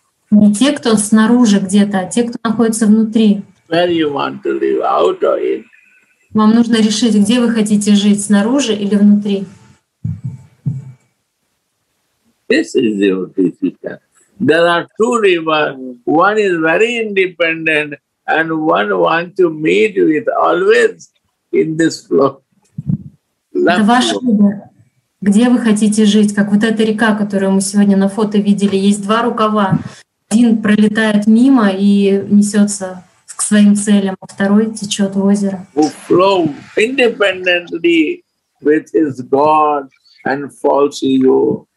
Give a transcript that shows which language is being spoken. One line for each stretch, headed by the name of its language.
Russian: Не те, кто снаружи где-то, а те, кто находится внутри.
English: Where you want to live, out or in?
Russian: Вам нужно решить, где вы хотите жить, снаружи или внутри.
English: This is your decision. There are two rivers. One is very independent, and one wants to meet with always in this flow.
Russian: Это ваш выбор. Где вы хотите жить? Как вот эта река, которую мы сегодня на фото видели, есть два рукава. Один пролетает мимо и несется к своим целям, а второй течет в озеро.
English: Who flow independently with his God and falls in you.